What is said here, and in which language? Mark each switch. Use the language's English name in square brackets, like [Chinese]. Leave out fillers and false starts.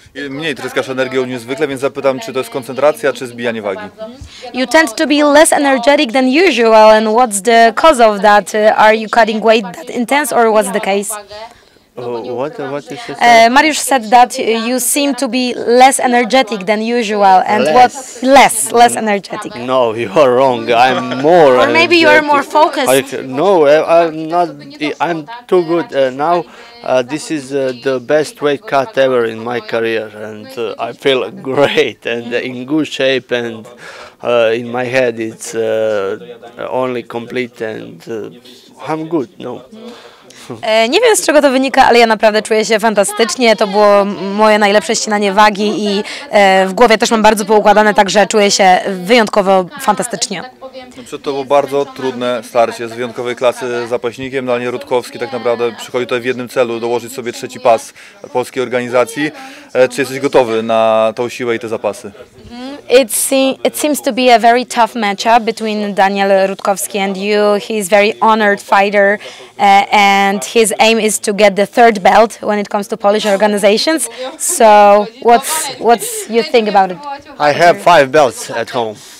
[Polish] Mniej tryskasz energią niż zwykle, więc zapytam, czy to jest koncentracja, czy zbijanie wagi? [English] You tend to be less energetic than usual, and what's the cause of that? Are you cutting weight that intense, or what's the case? What is it? Mariusz said that you seem to be less energetic than usual, and less. What? Less energetic. No, you are wrong. I'm more. Or maybe energetic. You are more focused. I'm too good now. This is the best weight cut ever in my career, and I feel great and in good shape, and in my head it's only complete, and I'm good. No. [Polish] Nie wiem, z czego to wynika, ale ja naprawdę czuję się fantastycznie. To było moje najlepsze ścinanie wagi i w głowie też mam bardzo poukładane, także czuję się wyjątkowo fantastycznie. Przed to było bardzo trudne starcie z wyjątkowej klasy zapaśnikiem. Daniel Rutkowski tak naprawdę przychodzi tutaj w jednym celu, dołożyć sobie trzeci pas polskiej organizacji. Czy jesteś gotowy na tą siłę i te zapasy? [English] It seems to be a very tough matchup between Daniel Rutkowski and you. He's a very honored fighter and his aim is to get the third belt when it comes to Polish organizations. So what's you think about it? I have 5 belts at home.